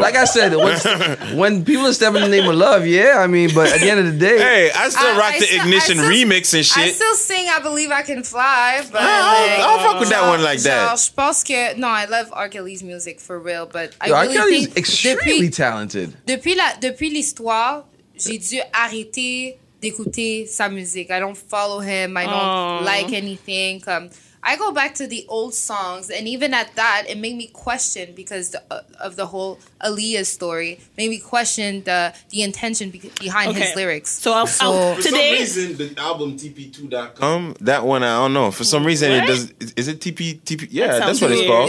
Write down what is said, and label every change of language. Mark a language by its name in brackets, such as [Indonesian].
[English] Like I said, when people are stepping in the name of love, but at the end of the day. Hey, I still rock the Ignition remix and shit. I still sing I Believe I Can Fly. But I'll fuck with that one like that. I love R. Kelly's music for real. But I really think R. Kelly's extremely talented. [French] Depuis l'histoire, j'ai dû arrêter d'écouter sa musique. [English] I don't follow him. I don't like anything. I go back to the old songs, and even at that, it made me question because of the whole Aaliyah story. Made me question the intention behind his lyrics. So, for some reason, the album TP2.com. That one, I don't know. For some reason, what? It does. Is it TP? TP? Yeah, that's what it's called.